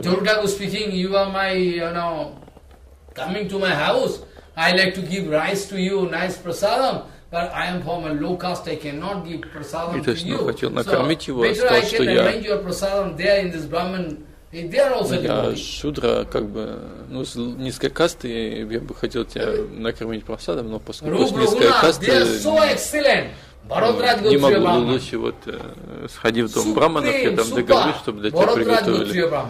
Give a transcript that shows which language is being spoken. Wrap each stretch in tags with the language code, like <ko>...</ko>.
<en>Джурдагу speaking, you are my, you know, coming to my house. I like to give rice to you, nice prasadam. But I am from a low caste, I cannot give prasadam to you.</en> <ru>И то есть, ну, хотел его, сказал, что я...</ru> <en>Better I can arrange your prasadam there in this Brahman...</en> <ru>Я шудра, как бы, ну, с низкой касты, я бы хотел тебя накормить просадом, но поскольку с низкой касты, не могу лучше, вот, сходи в дом браманов, я там договорюсь, чтобы для тебя приготовили.</ru>